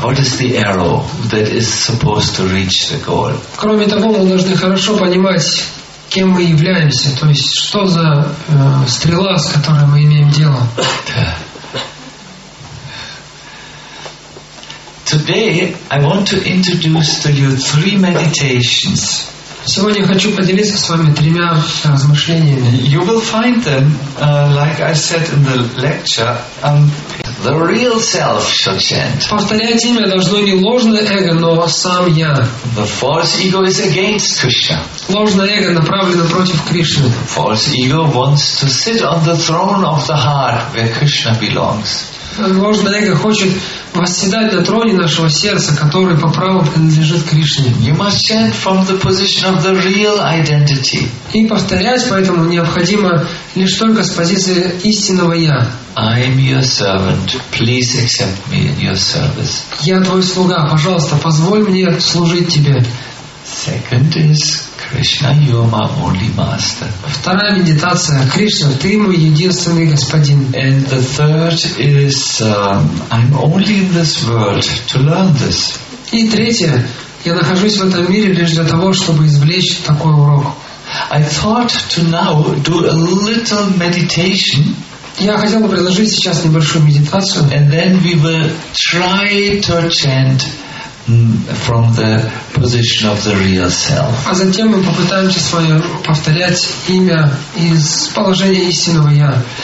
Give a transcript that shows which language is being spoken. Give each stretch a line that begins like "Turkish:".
English: What is the arrow that is supposed to reach the goal?
Russian: Кроме того, мы должны хорошо понимать, кем мы являемся, то есть что за стрела, с которой мы имеем дело.
English: Today I want to introduce to you three meditations.
Russian: Сегодня я хочу поделиться с вами тремя размышлениями.
English: You will find them, like I said in the lecture, the real self shall chant.
Russian: Повторять имя должно не ложное эго, но сам я.
English: The false ego is against Krishna.
Russian: Ложное эго направлено против Кришны.
English: False ego wants to sit on the throne of the heart where Krishna belongs.
Russian: Ложное эго хочет восседать на троне нашего сердца, который по праву принадлежит Кришне.
English: You must chant from the position of the real identity.
Russian: И повторять поэтому необходимо лишь только с позиции истинного я.
English: I am your servant. Please accept me in your service.
Russian: Я твой слуга. Пожалуйста, позволь мне служить тебе.
English: Second is Krishna, you are my only master.
Russian: Вторая медитация. Кришна, ты мой единственный господин.
English: And the third is I'm only in this world to learn this.
Russian: И третье. Я нахожусь в этом мире лишь для того, чтобы извлечь такой урок.
English: I thought to now do a little meditation.
Russian: Я хотел бы предложить сейчас небольшую медитацию.
English: And then we will try to chant from the position of the real self.
Russian: А затем мы попытаемся свое повторять имя из положения истинного я.